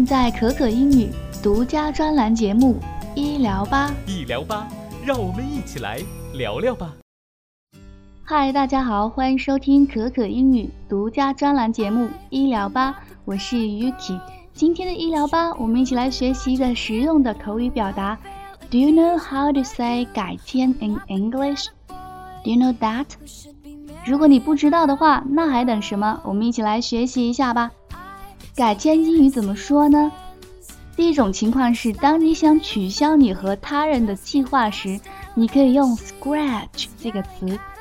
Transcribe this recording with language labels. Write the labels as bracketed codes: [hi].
[zh] 可可英语独家专栏节目医疗吧。医疗吧，让我们一起来聊聊吧。嗨，大家好，欢迎收听可可英语独家专栏节目医疗吧，我是 Yuki。今天的医疗吧，我们一起来学习一个实用的口语表达。 [en] Do you know how to say [zh] 改天 [en] in English? Do you know that? [zh] 如果你不知道的话，那还等什么？我们一起来学习一下吧。改天英语怎么说呢？第一种情况是，当你想取消你和他人的计划时，你可以用 scratch 这个词。